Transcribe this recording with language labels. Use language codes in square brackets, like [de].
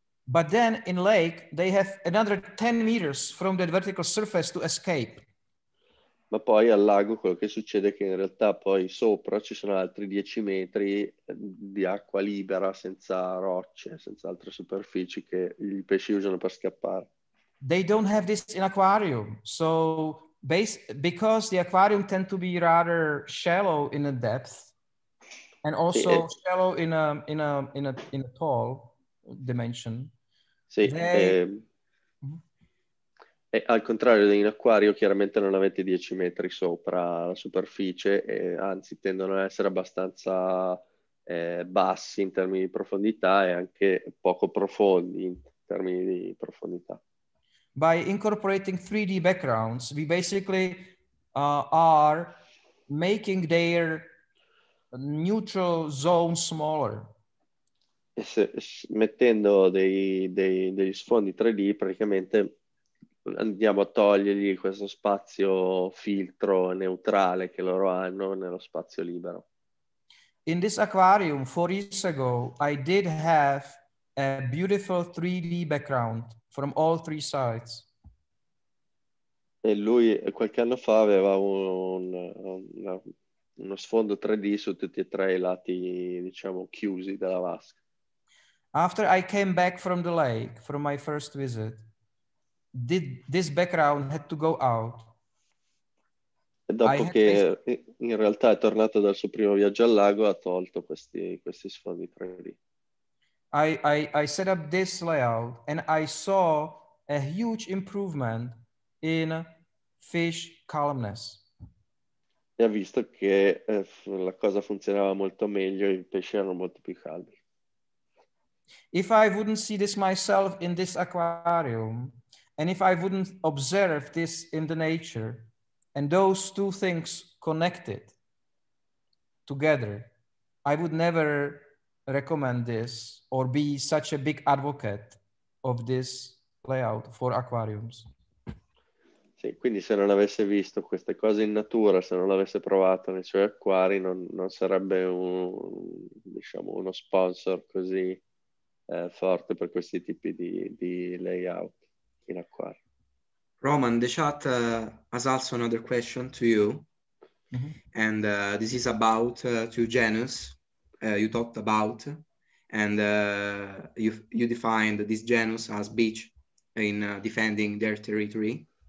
[en] But then in lake they have another 10 meters from the vertical surface to escape. [it] Ma poi al lago quello che succede è che in realtà poi sopra ci sono altri 10 metri di acqua libera, senza rocce, senza altre superfici che i pesci usano per scappare. [en] They don't have this in aquarium. So because the aquarium tend to be rather shallow in a depth and also shallow in a tall dimension. [it] Sì, e al contrario di un acquario, chiaramente non avete 10 metri sopra la superficie, e anzi tendono ad essere abbastanza bassi in termini di profondità e anche poco profondi in termini di profondità. [en] By incorporating 3D backgrounds, we basically are making their neutral zone smaller. [it] Mettendo degli sfondi 3D, praticamente andiamo a togliergli questo spazio filtro neutrale che loro hanno nello spazio libero. [en] In this aquarium 4 years ago I did have a beautiful 3D background from all three sides. [it] E lui qualche anno fa aveva uno sfondo 3D su tutti e tre i lati, diciamo, chiusi della vasca. [en] After I came back from the lake from my first visit, this background had to go out. [it] E dopo che in realtà è tornato dal suo primo viaggio al lago, ha tolto questi sfondi 3D. [en] I set up this layout and I saw a huge improvement in fish calmness. [it] E ha visto che la cosa funzionava molto meglio, i pesci erano molto più caldi. [en] If I wouldn't see this myself in this aquarium, and if I wouldn't observe this in the nature, and those two things connected together, I would never recommend this or be such a big advocate of this layout for aquariums. [it] Sì, quindi se non avesse visto queste cose in natura, se non l'avesse provato nei suoi acquari, non sarebbe uno sponsor così forte per questi tipi di layout in acquario. [en] Roman, the chat has also another question to you. Mm-hmm. And this is about two genus you talked about, and you defined this genus as beach in defending their territory.